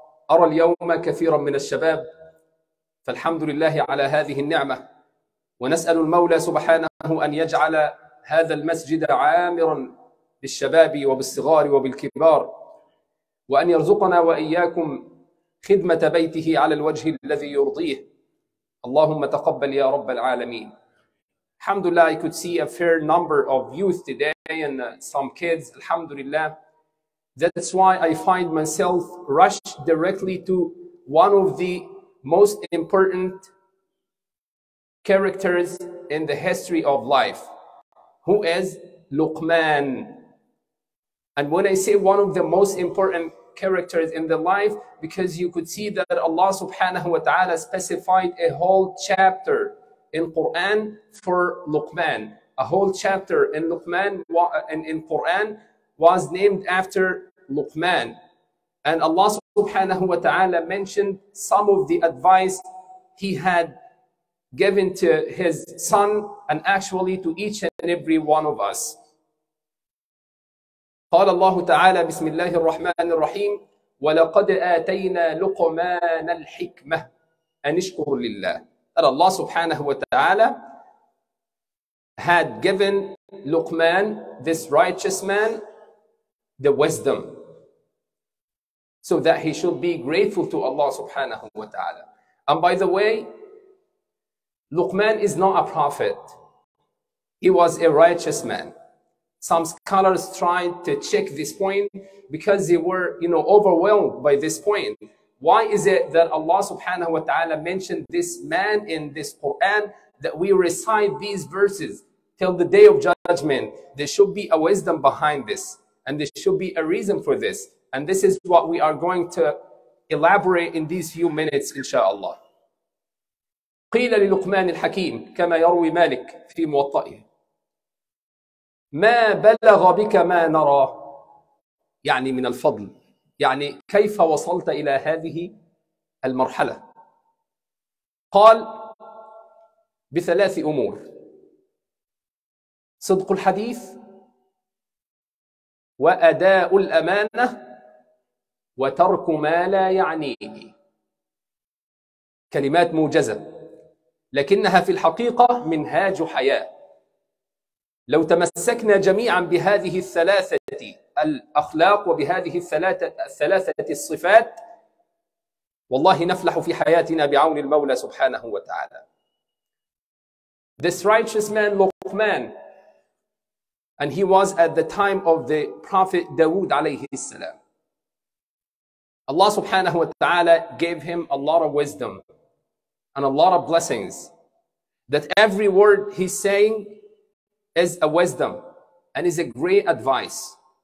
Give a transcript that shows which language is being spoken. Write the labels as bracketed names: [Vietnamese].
[Arabic] أرى اليوم كثيرا من الشباب فالحمد لله على هذه النعمة ونسأل المولى سبحانه أن يجعل هذا المسجد عامرا بالشباب وبالصغار وبالكبار وأن يرزقنا وإياكم خدمة بيته على الوجه الذي يرضيه اللهم تقبل يا رب العالمين. الحمد لله, [English] I could see a fair number of youth today and some kids. [Arabic] الحمد لله. [English] That's why I find myself rushed directly to one of the most important characters in the history of life, who is Luqman. And when I say one of the most important characters in the life, because you could see that Allah subhanahu wa ta'ala specified a whole chapter in Quran for Luqman. A whole chapter in Luqman in Quran was named after Luqman, and Allah subhanahu wa ta'ala mentioned some of the advice he had given to his son and actually to each and every one of us. [Arabic] قال الله تعالى بسم الله الرحمن الرحيم ولقد آتينا لقمان الحكمة أن اشكر لله. [English] And Allah subhanahu wa ta'ala had given Luqman, this righteous man, the wisdom, so that he should be grateful to Allah subhanahu wa ta'ala. And by the way, Luqman is not a prophet. He was a righteous man. Some scholars tried to check this point because they were, you know, overwhelmed by this point. Why is it that Allah subhanahu wa ta'ala mentioned this man in this Quran, that we recite these verses till the day of judgment? There should be a wisdom behind this, and there should be a reason for this. And this is what we are going to elaborate in these few minutes, inshallah. [Arabic] قيل للقمان الحكيم كما يروي مالك في موطئه ما بلغ بك ما نرى, يعني من الفضل, يعني كيف وصلت إلى هذه المرحلة. قال بثلاث أمور: صدق الحديث وأداء الأمانة وترك ما لا يعنيه. كلمات موجزة لكنها في الحقيقة منهاج حياة. لو تمسكنا جميعا بهذه الثلاثة الأخلاق وبهذه الثلاثة الصفات, والله نفلح في حياتنا بعون المولى سبحانه وتعالى. [English] This righteous man Luqman, and he was at the time of the prophet Dawood alayhi salam. Allah subhanahu wa ta'ala gave him a lot of wisdom and a lot of blessings, that every word he's saying is a wisdom and is a great advice.